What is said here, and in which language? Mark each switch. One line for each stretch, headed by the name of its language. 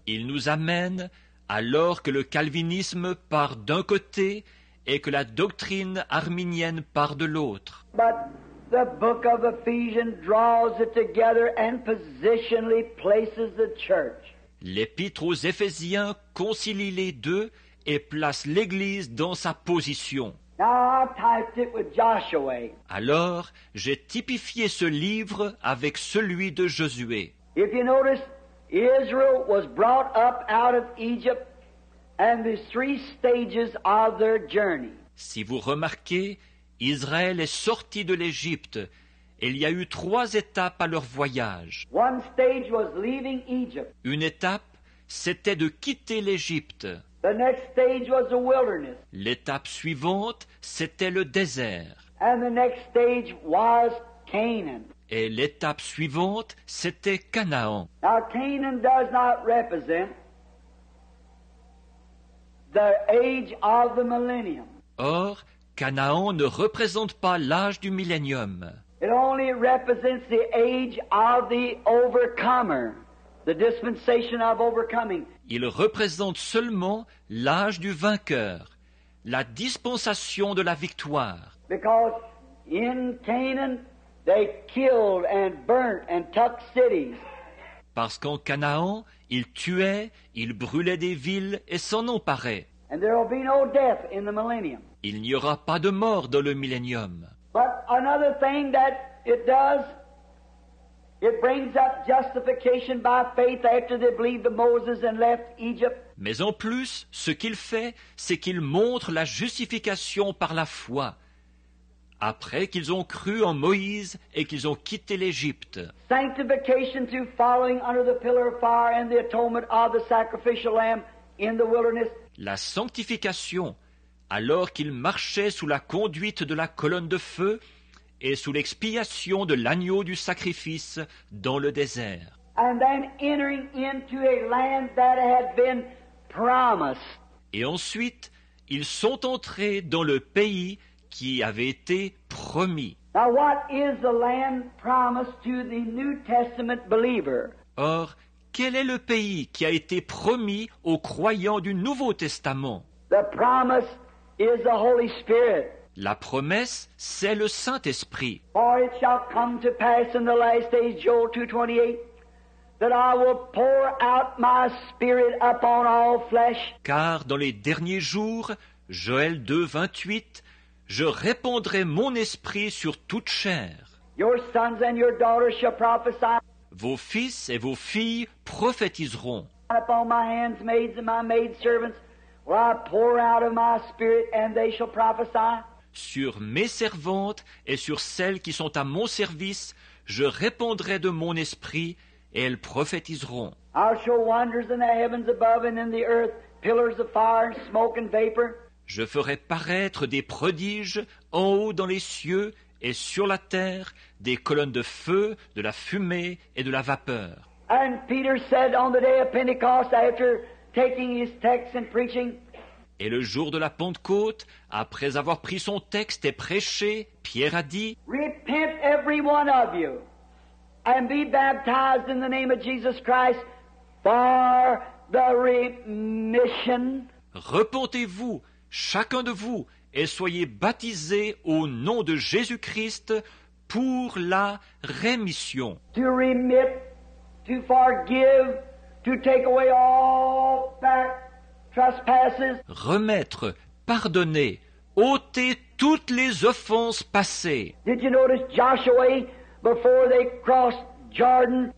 French: Il nous amène alors que le calvinisme part d'un côté et que la doctrine arminienne part de l'autre.
English: But the book of Ephesians draws it together and positionally places the church.
French: L'épître aux Éphésiens concilie les deux et place l'Église dans sa position.
English: Now I typed it with Joshua.
French: Alors, j'ai typifié ce livre avec celui de Josué.
English: If you notice, Israel was brought up out of Egypt and the three stages of their journey.
French: Si vous remarquez, Israël est sorti de l'Égypte. Il y a eu trois étapes à leur voyage.
English: One stage was leaving Egypt.
French: Une étape, c'était de quitter l'Égypte.
English: The next stage was the wilderness.
French: L'étape suivante, c'était le désert.
English: And the next stage was Canaan.
French: Et l'étape suivante, c'était Canaan.
English: Now, Canaan does not represent the age of the millennium.
French: Or, Canaan ne représente pas l'âge du millénium.
English: It only represents the age of the overcomer. The dispensation of overcoming.
French: Il représente seulement l'âge du vainqueur, la dispensation de la victoire.
English: Because in Canaan, they killed and burnt and took cities.
French: Parce qu'en Canaan, ils tuaient, ils brûlaient des villes et s'en emparaient.
English: And there will be no death in the millennium.
French: Il n'y aura pas de mort dans le millénium.
English: But another thing that it does, it brings up justification by faith after they believed in Moses and left Egypt.
French: Mais en plus, ce qu'il fait, c'est qu'il montre la justification par la foi après qu'ils ont cru en Moïse et qu'ils ont quitté l'Égypte.
English: Sanctification through following under the pillar of fire and the atonement of the sacrificial lamb in the wilderness.
French: La sanctification, alors qu'ils marchaient sous la conduite de la colonne de feu et sous l'expiation de l'agneau du sacrifice dans le désert.
English: And then entering into a land that had been promised.
French: Et ensuite, ils sont entrés dans le pays qui avait été promis.
English: Now what is the land promised to the New Testament believer?
French: Or, quel est le pays qui a été promis aux croyants du Nouveau Testament?
English: The promise is the Holy Spirit.
French: La promesse, c'est le Saint-Esprit.
English: For it shall come to pass in the last days, Joel 2:28, that I will pour out my Spirit upon all flesh.
French: Car dans les derniers jours, Joël 2:28, je répandrai mon Esprit sur toute chair.
English: Your sons and your daughters shall prophesy.
French: Vos fils et vos filles prophétiseront.
English: Upon my handmaids and my maidservants will I pour out of my Spirit, and they shall prophesy.
French: Sur mes servantes et sur celles qui sont à mon service, je répandrai de mon Esprit, et elles prophétiseront.
English: I'll show wonders in the heavens above and in the earth, pillars of fire, smoke and vapor.
French: Je ferai paraître des prodiges en haut dans les cieux et sur la terre, des colonnes de feu, de la fumée et de la vapeur.
English: And Peter said on the day of Pentecost, after taking his text and preaching.
French: Et le jour de la Pentecôte, après avoir pris son texte et prêché, Pierre a dit:
English: Repent every one of you and be baptized in the name of Jesus Christ for the remission.
French: Repentez-vous, chacun de vous, et soyez baptisés au nom de Jésus-Christ pour la rémission.
English: To remit, to forgive, to take away all back trespasses.
French: Remettre, pardonner, ôter toutes les offenses passées.
English: Did you notice Joshua before they crossed Jordan?